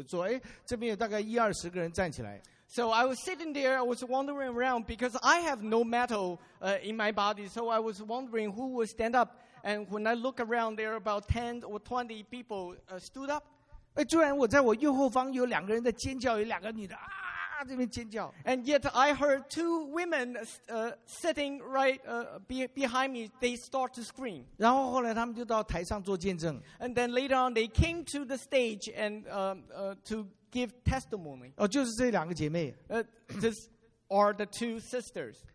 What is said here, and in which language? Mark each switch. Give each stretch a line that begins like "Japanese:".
Chinese: 然后我就在那边等，没有事情嘛，有的人站起来，我也没开过刀，里面也没有金属，所以这边有大概一二十个人站起来。
English: So I was sitting there, I was wondering around, because I have no metal in my body, so I was wondering who would stand up. And when I look around, there are about 10 or 20 people stood up.
Chinese: 居然我在我右后方有两个人在尖叫，有两个女的啊，这边尖叫。
English: And yet I heard two women sitting right behind me, they start to scream.
Chinese: 然后后来他们就到台上做见证。
English: And then later on, they came to the stage and to give testimony.
Chinese: 哦，就是这两个姐妹。
English: These are the two sisters.